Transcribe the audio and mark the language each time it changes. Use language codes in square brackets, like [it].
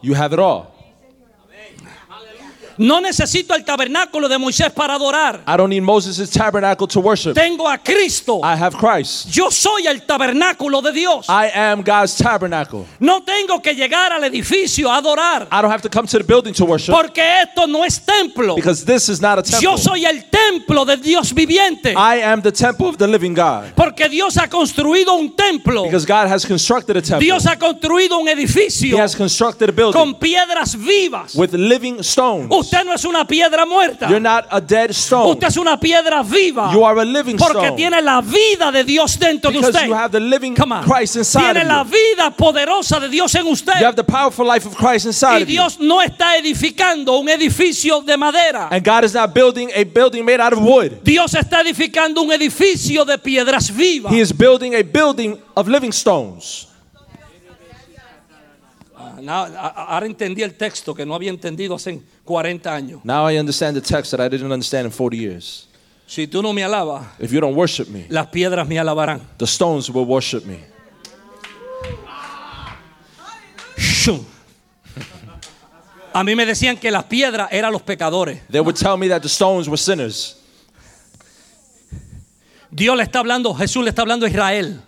[en] You have it all. [es] No necesito el tabernáculo de Moisés para adorar. [en] I don't need Moses' tabernacle to worship. [es] Tengo a Cristo. [en] I have Christ. [es] Yo soy el tabernáculo de Dios. [en] I am God's tabernacle. [es] No tengo que llegar al edificio a adorar. [en] I don't have to come to the building to worship. [es] Porque esto no es templo. [en] Because this is not a temple. [es] Yo soy el templo de Dios viviente. [en] I am the temple of the living God. [es] Porque Dios ha construido un templo. [en] Because God has constructed a temple. [es] Dios ha construido un edificio. [en] He has constructed a building. [es] Con piedras vivas. [en] With living stones. [es] Usted no es una piedra muerta. [en] You're not a dead stone. [es] Usted es una piedra viva. [en] You are a living [es] porque [en] stone. [es] Porque tiene la vida de Dios dentro [en] because [es] de usted. [en] You have the living Christ inside [es] tiene [en] of you. [es] La vida poderosa de Dios en usted. [en] You have the powerful life of Christ inside [es] y Dios [en] of you. [es] No está edificando un edificio de madera. [en] And God is not building a building made out of wood. [es] Dios está edificando un edificio de piedras vivas. [en] He is building a building of living stones. [es] Ahora entendí el texto que no había entendido hace 40 años. [en] Now I understand the text that I didn't understand in 40 years. [es] Si tú no me alabas, [en] if you don't worship me, [es] las piedras me alabarán. [en] The stones will worship me. [es] A mí me decían que las piedras eran los pecadores. [en] They would tell me that the stones were sinners. [es] Dios le está hablando, Jesús le está hablando a Israel.